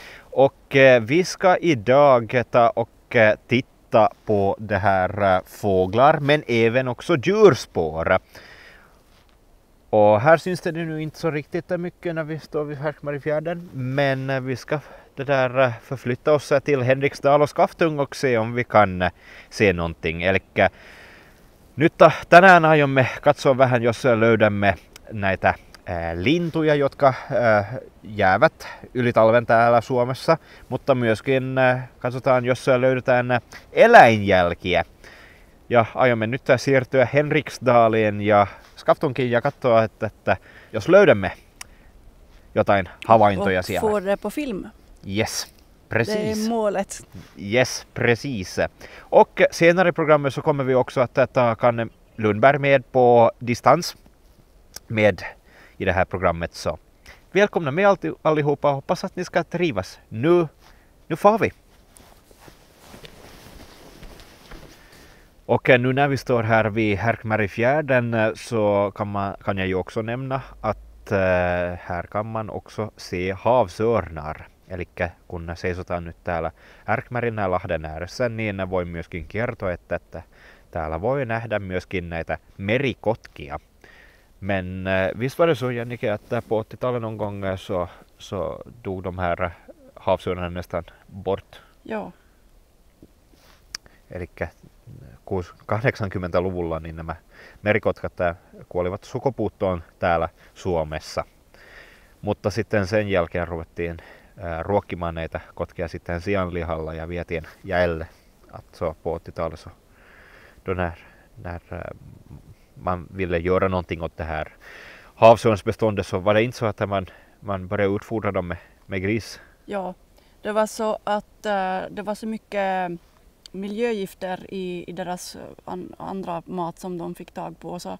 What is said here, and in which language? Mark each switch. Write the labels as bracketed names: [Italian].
[Swedish] Och vi ska idag ta och titta på det här fåglar men även också djurspår. Och här syns det nu inte så riktigt mycket när vi står vid Härkmarifjärden. Men vi ska det där förflytta oss till Henriksdal och Skaftung och se om vi kan se någonting. [Finnish] Eller nyt tänään aiomme katsoa vähän, jos löydämme näitä lintuja, jotka jäävät yli talven täällä Suomessa. Mutta myöskin katsotaan, jos löydetään eläinjälkiä. Ja aiomme nyt siirtyä Henriksdaaliin ja Skaftunkin ja katsoa, että jos löydämme jotain havaintoja siellä. [Swedish] Fåre på film. Yes. Precis. Det är målet. Yes, precis. Och senare i programmet så kommer vi också att ta Kanne Lundberg med på distans med i det här programmet. Så välkomna med allihopa. Hoppas att ni ska trivas. Nu far vi. Och nu när vi står här vid Härkmarifjärden så kan jag ju också nämna att här kan man också se havsörnar. [Finnish] Eli kun seisotaan nyt täällä Härkmärin ja Lahden ääressä, niin voi myöskin kertoa, että täällä voi nähdä myöskin näitä merikotkia. [Swedish] Men visst var det så, Jannike, [Finnish] että [Swedish] på 80-talet någon gång så dog de här havsörnarna nästan bort. [Finnish] Joo. Eli 80-luvulla niin nämä merikotkat kuolivat sukupuuttoon täällä Suomessa. Mutta sitten sen jälkeen ruvettiin ruokkimaan näitä kotkia sitten sianlihalla ja vietiin jäälle. [Swedish] Så på 80-talet så då när man ville göra någonting åt det här havsörnsbeståndet så var det inte så att man började utfodra dem med gris. Ja, det var så att det var så mycket miljögifter i deras andra mat som de fick tag på.